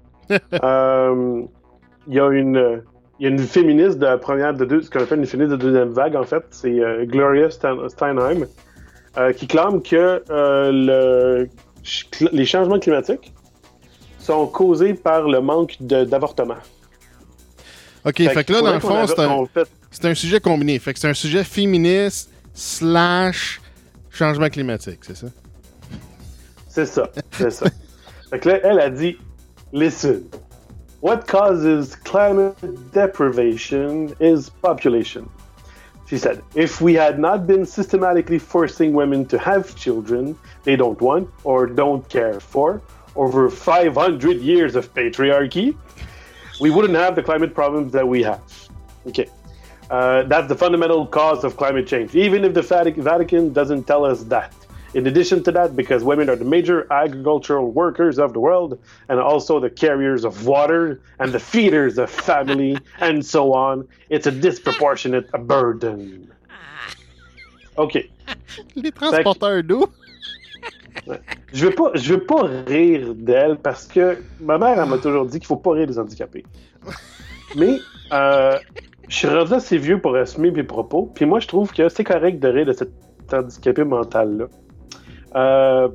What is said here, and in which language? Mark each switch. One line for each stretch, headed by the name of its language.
French: Il y a une féministe de ce qu'on appelle une féministe de deuxième vague, en fait, c'est Gloria Steinem, qui clame que les changements climatiques sont causés par le manque d'avortement. OK, fait que là, dans le fond, c'est un sujet combiné. Fait que c'est un sujet féministe / changement climatique, c'est ça? C'est ça, c'est ça. Fait que là, elle a dit,
English: « Listen, what causes climate deprivation is population. » She said, « If we had not been systematically forcing women to have children they don't want or don't care for, over 500 years of patriarchy, we wouldn't have the climate problems that we have. Okay. That's the fundamental cause of climate change, even if the Vatican doesn't tell us that. In addition to that, because women are the major agricultural workers of the world, and also the carriers of water, and the feeders of family, and so on, it's a disproportionate burden. Okay.
French: Les transporteurs d'eau. Je veux pas rire d'elle parce que ma mère, elle m'a toujours dit qu'il faut pas rire des handicapés. Mais je suis rendu assez vieux pour assumer mes propos. Puis moi, je trouve que c'est correct de rire de cet handicapé mental-là.